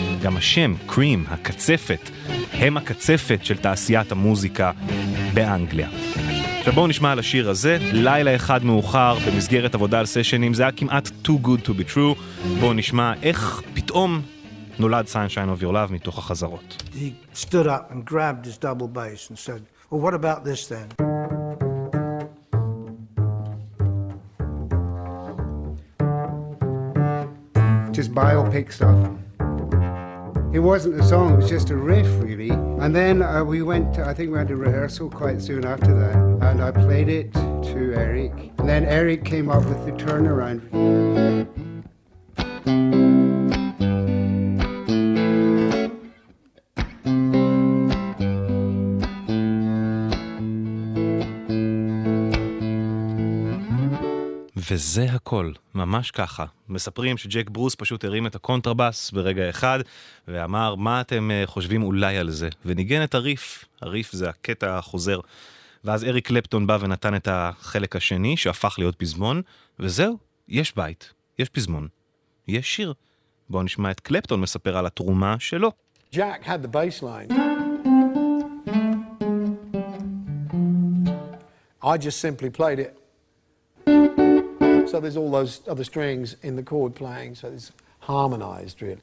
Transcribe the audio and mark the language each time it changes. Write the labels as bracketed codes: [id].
[he] גם השם, קרים, הקצפת, הם הקצפת של תעשיית המוזיקה באנגליה. עכשיו בואו נשמע על השיר הזה, לילה אחד מאוחר במסגרת עבודה על סשנים, זה היה כמעט [en] too good to be true. [he] בואו נשמע איך פתאום נולד Sunshine of Your Love מתוך החזרות. [en] He stood up and grabbed his double bass and said, well, what about this then? Just biopic stuff. It wasn't a song, it was just a riff, really. And then we went to rehearsal quite soon after that, and I played it to Eric. And then Eric came up with the turnaround. [he] וזה הכל, ממש ככה. מספרים שג'ק ברוס פשוט הרים את הקונטרבאס ברגע אחד, ואמר, מה אתם חושבים אולי על זה? וניגן את הריף, הריף זה הקטע החוזר. ואז אריק קלפטון בא ונתן את החלק השני, שהפך להיות פזמון, וזהו, יש בית, יש פזמון, יש שיר. בואו נשמע את קלפטון מספר על התרומה שלו. [en] ג'ק had the bass line. I just simply played it. So there's all those other strings in the chord playing, so it's harmonized really.